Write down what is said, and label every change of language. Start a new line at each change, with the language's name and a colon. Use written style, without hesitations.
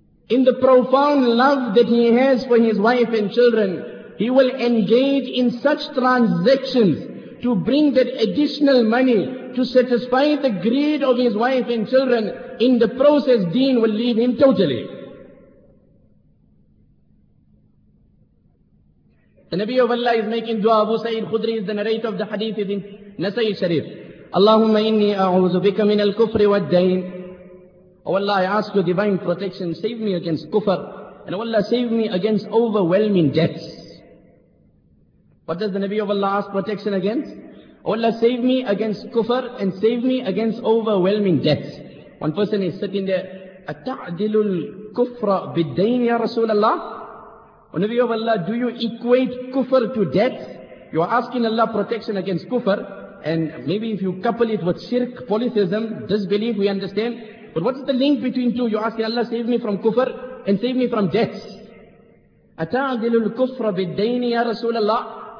English: In the profound love that he has for his wife and children, he will engage in such transactions to bring that additional money to satisfy the greed of his wife and children. In the process, deen will leave him totally. The Nabi of Allah is making dua. Abu Sa'id Khudri is the narrator of the hadith in Nasa'i Sharif.
Arabic: اللهم إني أعوذ بك من الكفر والدين.
English: Oh Allah, I ask your divine protection, save me against kufr, and oh Allah, save me against overwhelming debts. What does the Nabi of Allah ask protection against? Oh Allah, save me against kufr and save me against overwhelming debts. One person is sitting there,
Arabic: أَتَعْدِلُ الْكُفْرَ بِالدَّيْنِ يَا رَسُولَ اللَّهِ.
English: Oh Nabi of Allah, do you equate kufr to debts? You are asking Allah protection against kufr, and maybe if you couple it with shirk, polytheism, disbelief, we understand. But what is the link between two? You're asking Allah, save me from kufr and save me from debts.
Arabic: أَتَعْدِلُ الْكُفْرَ بِالدَّيْنِ يَا رَسُولَ اللَّهِ.